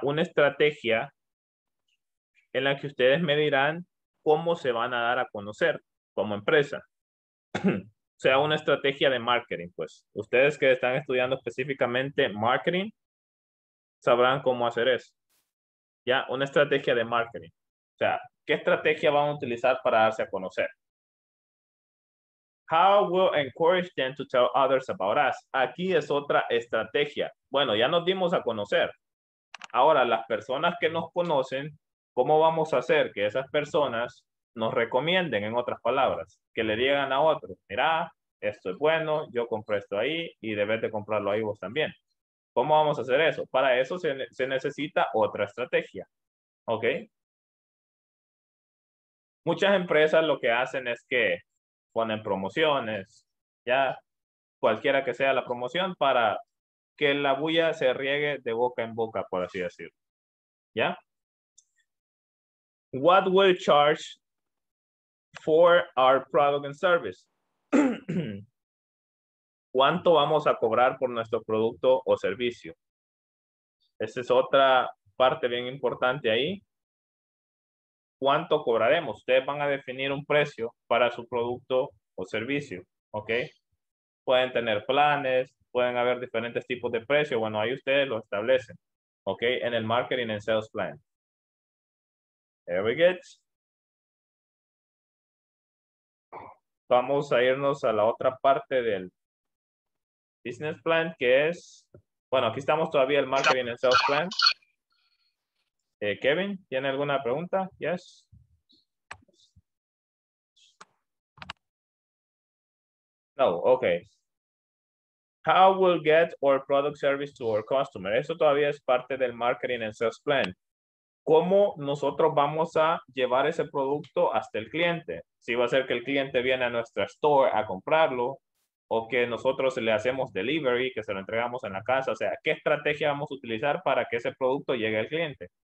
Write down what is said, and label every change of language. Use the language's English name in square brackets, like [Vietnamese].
[Spanish] Una estrategia en la que ustedes me dirán cómo se van a dar a conocer como empresa. O sea, una estrategia de marketing, pues. Ustedes que están estudiando específicamente marketing, sabrán cómo hacer eso. ¿Ya? Una estrategia de marketing. O sea, ¿qué estrategia van a utilizar para darse a conocer? [English] How will encourage them to tell others about us? [Spanish] Aquí es otra estrategia. Bueno, ya nos dimos a conocer. Ahora, las personas que nos conocen, ¿cómo vamos a hacer que esas personas nos recomienden, en otras palabras? Que le digan a otros, mira, esto es bueno, yo compré esto ahí y debes de comprarlo ahí vos también. ¿Cómo vamos a hacer eso? Para eso se necesita otra estrategia. ¿Ok? Muchas empresas lo que hacen es que ponen promociones, ya, cualquiera que sea la promoción, para que la bulla se riegue de boca en boca, por así decirlo. ¿Ya? [English] What will charge for our product and service? [Spanish] ¿Cuánto vamos a cobrar por nuestro producto o servicio? Esa es otra parte bien importante ahí. ¿Cuánto cobraremos? Ustedes van a definir un precio para su producto o servicio, ¿ok? Pueden tener planes, pueden haber diferentes tipos de precios. Bueno, ahí ustedes lo establecen, ¿ok? En el marketing and sales plan. [English] There we go. [Spanish] Vamos a irnos a la otra parte del business plan, que es, bueno, aquí estamos todavía el marketing and sales plan. Kevin, ¿tiene alguna pregunta? [English] Yes. No, okay. How we'll get our product service to our customer? [Spanish] Eso todavía es parte del marketing and sales plan. ¿Cómo nosotros vamos a llevar ese producto hasta el cliente? Si va a ser que el cliente viene a nuestra store a comprarlo, o que nosotros le hacemos delivery, que se lo entregamos en la casa. O sea, ¿qué estrategia vamos a utilizar para que ese producto llegue al cliente?